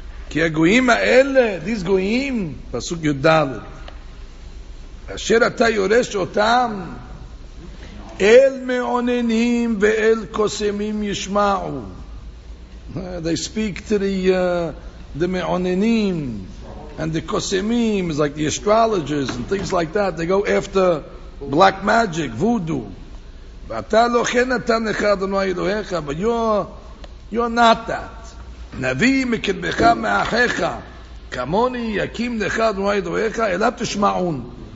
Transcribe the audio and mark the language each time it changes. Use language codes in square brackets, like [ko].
[he] כי הגויים האלה, [en] these [he] גויים, פסוק י' ד', אשר אתה יורש אותם, אל מעוננים ואל קוסמים ישמעו. [en] They speak to the מעוננים and the קוסמים, it's like the astrologers and things like that. They go after black magic, voodoo. [he] ואתה לא כן נתן לך אדוני אלוהיך, [en] but you're not that. [he] נביא מקרבך מאחיך כמוני יקים לך אדוני אלוהיך אלא תשמעון.